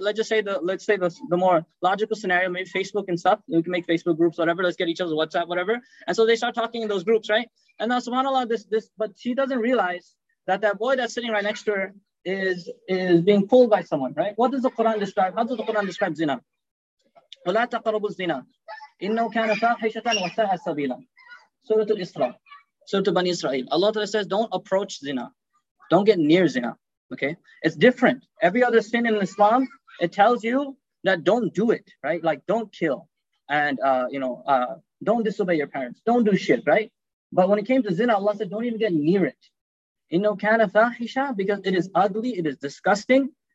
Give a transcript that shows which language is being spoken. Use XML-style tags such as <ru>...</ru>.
<en>Let's say the more logical scenario, maybe Facebook and stuff. We can make Facebook groups, whatever. Let's get each other's WhatsApp, whatever. And so they start talking in those groups, right? And now SubhanAllah, this, but she doesn't realize that boy that's sitting right next to her is being pulled by someone, right? What does the Quran describe? How does the Quran describe zina?</en> <ar>وَلَا تَقَرَبُوا الزِّنَا إِنَّوْ كَانَ فَاحِشَةً وَسَاءَ سَبِيلًا Surah Al-Isra, Surah Bani Israel.</ar> <en>Allah Ta'ala says, don't approach zina. Don't get near zina, okay? It's different. Every other sin in Islam, it tells you that don't do it, right? Like, don't kill. And, don't disobey your parents. Don't do shit, right? But when it came to zina, Allah said, don't even get near it.</en> <ar>إِنَّوْ كَانَ فَاحِشَةً</ar> <en>because it is ugly, it is disgusting.</en>